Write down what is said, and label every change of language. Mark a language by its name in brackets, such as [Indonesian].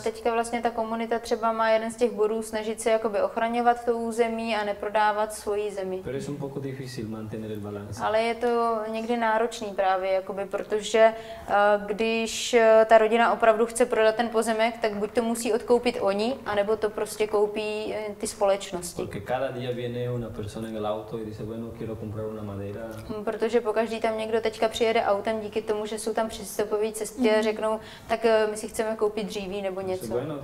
[Czech] A teďka vlastně ta komunita třeba má jeden z těch bodů snažit se jakoby ochraňovat to území a neprodávat svoji zemi. [Spanish] Pero es un poco difícil mantener el balance. [Czech] Ale je to někdy náročný právě, jakoby, protože když ta rodina opravdu chce prodat ten pozemek, tak buď to musí odkoupit oni, anebo to prostě koupí ty společnosti. [Spanish] Porque cada día viene una persona en el auto y dice, bueno, quiero comprar una madera. [Czech] Protože pokaždý tam někdo teďka přijede autem díky tomu, že jsou tam přístupové cesty a řeknou, tak my si chceme koupit dříví nebo něco.